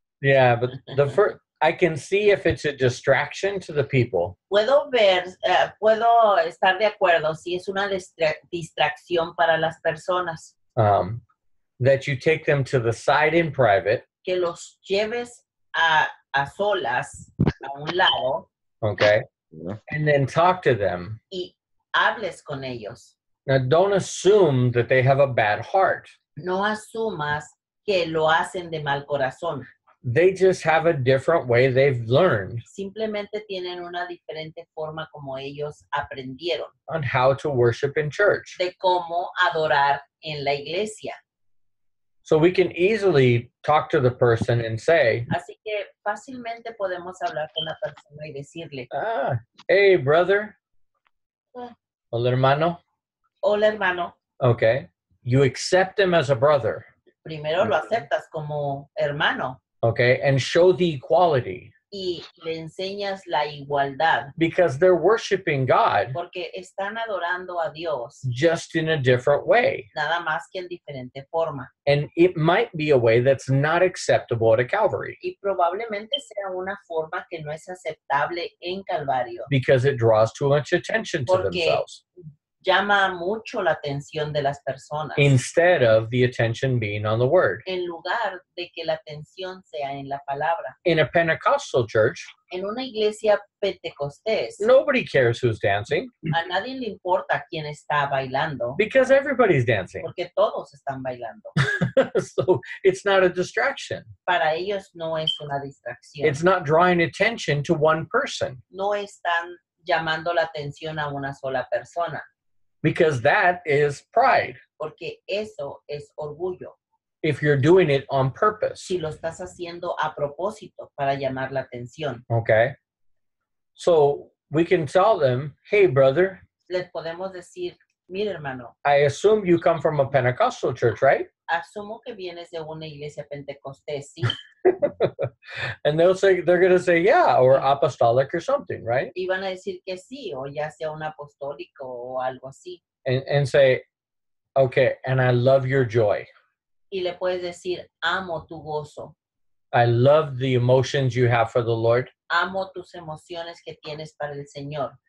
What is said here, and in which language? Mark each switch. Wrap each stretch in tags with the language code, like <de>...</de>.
<en>Yeah, but the first, I can see if it's a distraction to the people.</en> <es>Puedo ver, puedo estar de acuerdo si es una distracción para las personas.</es> <en>That you take them to the side in private.</en> <es>Que los lleves a solas, a un lado.</es> <en>Okay. And then talk to them.</en> <es>Y hables con ellos.</es> <en>Now, don't assume that they have a bad heart.</en> <es>No asumas que lo hacen de mal corazón.</es> <en>They just have a different way they've learned.</en> <es>Simplemente tienen una diferente forma como ellos aprendieron.</es> <en>On how to worship in church.</en> <es>De cómo adorar en la iglesia.</es> <en>So we can easily talk to the person and say,</en> <es>así que fácilmente podemos hablar con la persona y decirle,</es> <en>ah, hey, brother.</en> <es>Hola, hermano. Hola, hermano.</es> <en>Okay. You accept him as a brother.</en> <es>Primero lo aceptas como hermano.</es> <en>Okay, and show the equality.</en> <es>Y le enseñas la igualdad.</es> <en>Because they're worshiping God.</en> <es>Porque están adorando a Dios.</es> <en>Just in a different way.</en> <es>Nada más que en diferente forma.</es> <en>And it might be a way that's not acceptable at a Calvary.</en> <es>Y probablemente sea una forma que no es aceptable en Calvario.</es> <en>Because it draws too much attention to themselves.</en> <es>Llama mucho la atención de las personas.</es> <en>Instead of the attention being on the word.</en> <es>En lugar de que la atención sea en la palabra.</es> <en>In a Pentecostal church.</en> <es>En una iglesia pentecostés.</es> <en>Nobody cares who's dancing.</en> <es>A nadie le importa quién está bailando.</es> <en>Because everybody's dancing.</en> <es>Porque todos están bailando.</es> <en>So it's not a distraction.</en> <es>Para ellos no es una distracción.</es> <en>It's not drawing attention to one person.</en> <es>No están llamando la atención a una sola persona.</es> <en>Because that is pride.</en> <es>Porque eso es orgullo.</es> <en>If you're doing it on purpose.</en> <es>Si lo estás haciendo a propósito para llamar la atención.</es> <en>Okay. So we can tell them, hey, brother.</en> <es>Les podemos decir, mira, hermano.</es> <en>I assume you come from a Pentecostal church, right?</en> <es>Asumo que vienes de una iglesia pentecostés, ¿sí?</es> <en>And they'll say, they're going to say, yeah, or apostolic or something, right?</en> <es>Y van a decir que sí, o ya sea un apostólico o algo así.</es> <en>And say, okay, and I love your joy.</en> <es>Y le puedes decir, amo tu gozo.</es> <en>I love the emotions you have for the Lord.</en> <es>Amo tus emociones que tienes para el Señor.</es>